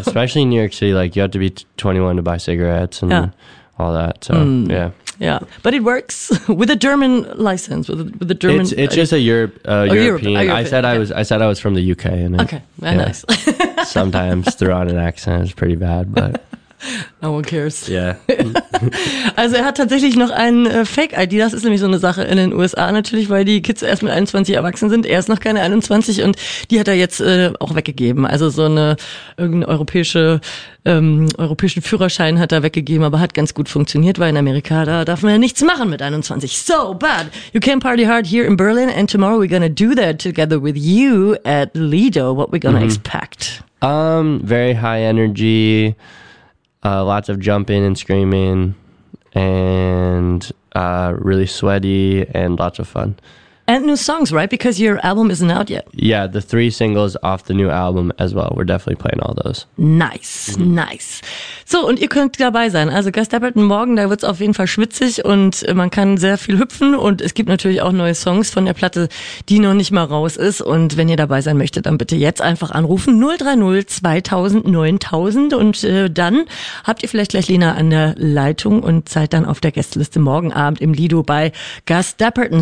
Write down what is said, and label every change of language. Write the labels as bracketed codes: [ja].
[en] Especially in New York City, like, you have to be 21 to buy cigarettes and all that, so, Yeah, but it works with a German license. With a German, it's just a European. I said I was from the UK. And okay, yeah, nice. Sometimes throw out an accent is pretty bad, but no one cares. Yeah. [de] Also er hat tatsächlich noch ein Fake-ID. Das ist nämlich so eine Sache in den USA natürlich, weil die Kids erst mit 21 erwachsen sind. Er ist noch keine 21 und die hat er jetzt auch weggegeben. Also so eine irgendeine europäischen Führerschein hat er weggegeben, aber hat ganz gut funktioniert, weil in Amerika, da darf man ja nichts machen mit 21. [en] So, but you can party hard here in Berlin and tomorrow we're gonna do that together with you at Lido. What we're gonna expect? Very high energy. Lots of jumping and screaming and really sweaty and lots of fun. And new songs, right? Because your album isn't out yet. Yeah, the three singles off the new album as well. We're definitely playing all those. [de] Nice, nice. So, und ihr könnt dabei sein. Also Gus Dapperton morgen, da wird's auf jeden Fall schwitzig und man kann sehr viel hüpfen. Und es gibt natürlich auch neue Songs von der Platte, die noch nicht mal raus ist. Und wenn ihr dabei sein möchtet, dann bitte jetzt einfach anrufen. 030 2000 9000. Und dann habt ihr vielleicht gleich Lena an der Leitung und seid dann auf der Gästeliste morgen Abend im Lido bei Gus Dapperton.